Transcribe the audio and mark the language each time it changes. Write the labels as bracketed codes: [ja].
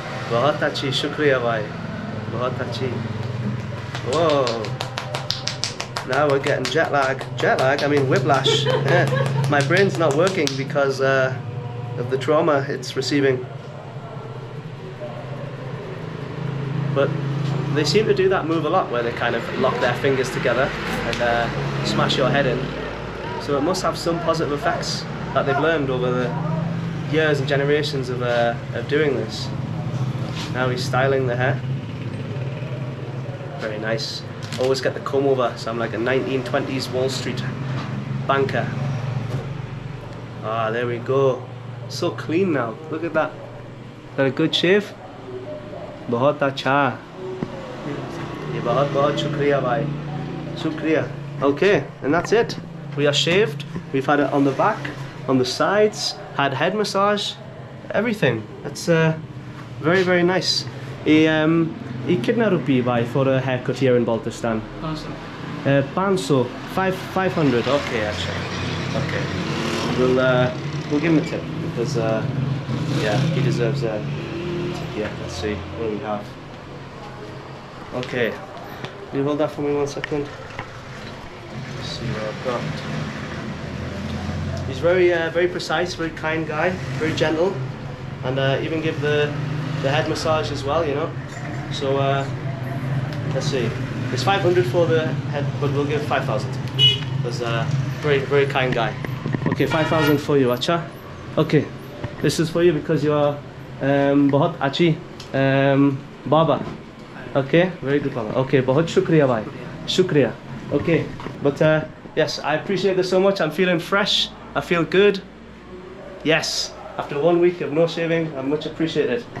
[ur] بہت اچھی، شکریہ بھائی۔ بہت اچھی۔ [en] Whoa. Now we're getting jet lag. Jet lag? I mean whiplash. Yeah. My brain's not working because of the trauma it's receiving. But they seem to do that move a lot where they kind of lock their fingers together and smash your head in. So it must have some positive effects that they've learned over the years and generations of doing this. Now he's styling the hair. Very nice. Always get the comb over, so I'm like a 1920s Wall Street banker. Ah, there we go. So clean now. Look at that. Is that a good shave? [ur] بہت اچھا۔ یہ بہت بہت شکریہ بھائی۔ شکریہ۔ [en] Okay, and that's it. We are shaved. We've had it on the back, on the sides, had head massage, everything. That's very, very nice. He kidnapped a rupee bhai for a haircut here in Baltistan. [ur] Panso. [en] 500. Okay, actually. Okay. We'll give him a tip because he deserves a tip. Yeah, let's see. What do we have? Okay. Can you hold that for me 1 second? Let's see what I've got. He's very very precise, very kind guy, very gentle. And even give the head massage as well, you know. So let's see. It's 500 for the head, but we'll give 5,000. Because very, very kind guy. Okay, 5,000 for you, acha. Okay. This is for you because you are [ur] bahut achi baba. [en] Okay, very good baba. [ur] Okay, بہت شکریہ بھائی۔ شکریہ۔ [en] Okay. But yes, I appreciate this so much. I'm feeling fresh. I feel good. Yes. After 1 week of no shaving, I much appreciate it.